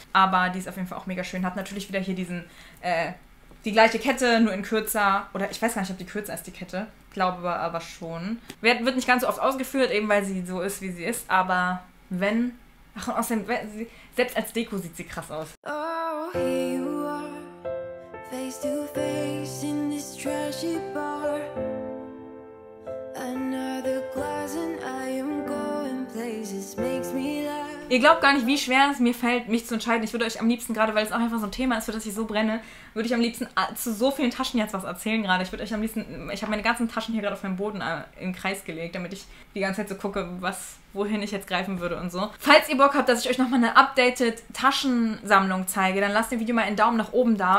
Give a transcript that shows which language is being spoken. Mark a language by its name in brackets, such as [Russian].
[German] Aber die ist auf jeden Fall auch mega schön. Hat natürlich wieder hier diesen, die gleiche Kette, nur in kürzer. Oder ich weiß gar nicht, ob die kürzer ist, die Kette. Glaube aber schon. Wird nicht ganz so oft ausgeführt, eben weil sie so ist, wie sie ist. Aber wenn... Ach, und außerdem, selbst als Deko sieht sie krass aus. [English] Oh, here you are, face to face in this trashy bar. Another glass and I am going places, makes me laugh. [German] Ihr glaubt gar nicht, wie schwer es mir fällt, mich zu entscheiden. Ich würde euch am liebsten gerade, weil es auch einfach so ein Thema ist, für das ich so brenne, würde ich am liebsten zu so vielen Taschen jetzt was erzählen gerade. Ich würde euch am liebsten, ich habe meine ganzen Taschen hier gerade auf meinem Boden im Kreis gelegt, damit ich die ganze Zeit so gucke, was... wohin ich jetzt greifen würde und so. Falls ihr Bock habt, dass ich euch nochmal eine updated Taschensammlung zeige, dann lasst dem Video mal einen Daumen nach oben da.